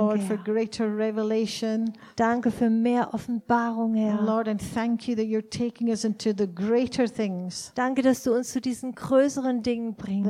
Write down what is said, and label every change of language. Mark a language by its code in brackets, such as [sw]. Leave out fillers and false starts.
[en] Lord, for greater revelation. [de] Danke für mehr Offenbarung, Herr. [en] Lord, and thank you that you're taking us into the greater things. [de] Danke, dass du uns zu diesen größeren Dingen bringst.